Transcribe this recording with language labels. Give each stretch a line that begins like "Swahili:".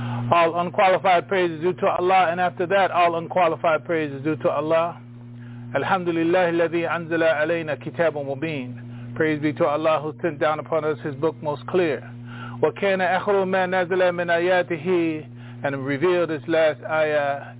English: All unqualified praise is due to Allah, and after that all unqualified praise is due to Allah.
Arabic: Alhamdulillah الذي أنزل علينا كتاب مبين.
English: Praise be to Allah who sent down upon us his book most clear.
Arabic: وَكَانَ أَخْرُ مَا نَزَلَ مِنْ آيَاتِهِ
English: and revealed his last ayah.